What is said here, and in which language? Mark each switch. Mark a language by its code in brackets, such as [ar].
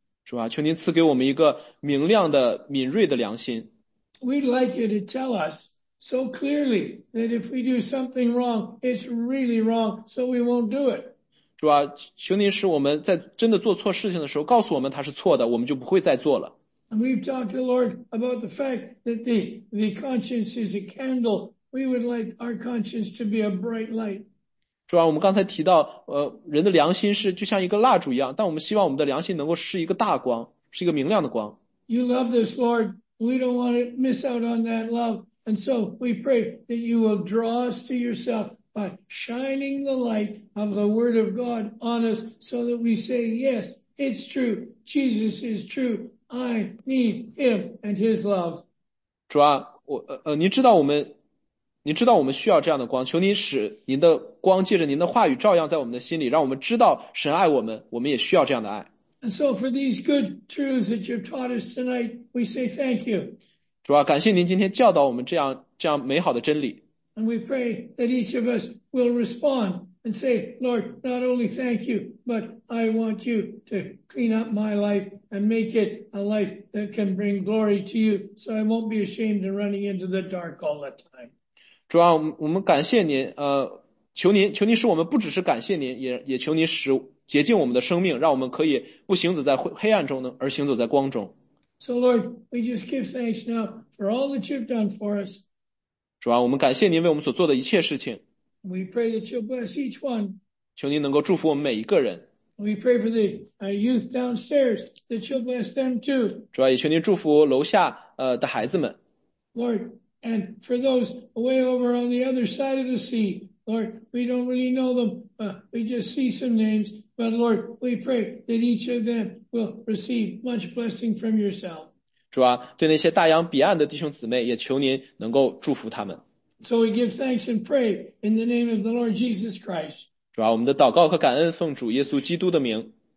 [zh] 主啊，求您赐给我们一个明亮的、敏锐的良心。 [en] We'd like you to tell us so clearly that if we do something wrong, it's really wrong, so we won't do it. [zh] 主啊，求您使我们在真的做错事情的时候，告诉我们它是错的，我们就不会再做了。 [en] And we've talked to the Lord about the fact that the conscience is a candle. We would like our conscience to be a bright light. [zh] 主啊，我们刚才提到，人的良心是就像一个蜡烛一样，但我们希望我们的良心能够是一个大光，是一个明亮的光。 [en] You love this, Lord. We don't want to miss out on that love. And so we pray that you will draw us to yourself by shining the light of the word of God on us so that we say, yes, it's true. Jesus is true. I need him and his love. [zh] 主啊，您知道我们需要这样的光，求您使您的光借着您的话语照耀在我们的心里，让我们知道神爱我们，我们也需要这样的爱。 [en] And so for these good truths that you've taught us tonight, we say thank you. [zh] 主啊，感谢您今天教导我们这样美好的真理。 [en] And we pray that each of us will respond and say, Lord, not only thank you, but I want you to clean up my life and make it a life that can bring glory to you, so I won't be ashamed of running into the dark all the time. [zh] 主啊，我们感谢您，求您使我们不只是感谢您，也求您使洁净我们的生命，让我们可以不行走在黑暗中呢，而行走在光中。 [en] So Lord, we just give thanks now for all that you've done for us. [zh] 主啊，我们感谢您为我们所做的一切事情。 [en] We pray that you'll bless each one. [zh] 求您能够祝福我们每一个人。 [en] We pray for the youth downstairs that you'll bless them too. [zh] 主啊，也求您祝福楼下的孩子们。 [en] Lord, and for those way over on the other side of the sea, Lord, we don't really know them, but we just see some names. But Lord, we pray that each of them will receive much blessing from yourself. [zh] 主啊，对那些大洋彼岸的弟兄姊妹，也求您能够祝福他们。 [en] So we give thanks and pray in the name of the Lord Jesus Christ. [zh] 主啊，我们的祷告和感恩奉主耶稣基督的名。